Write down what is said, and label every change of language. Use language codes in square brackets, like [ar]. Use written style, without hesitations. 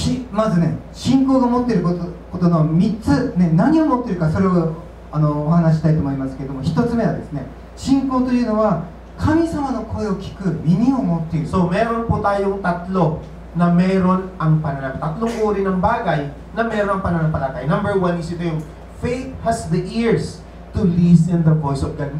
[ja] まずね、信仰が持っていることの3つ、ね、何を持っているかそれをお話したいと思いますけれども、1つ目はですね、信仰というのは神様の声を聞く耳を持っている。 [tl] So, meron po tayong tatlo na meron ang pananampalataya. Tatlong uri ng bagay na meron ang pananampalataya. [en] Number one is [tl] ito yung [en] faith has the ears to listen the voice of God.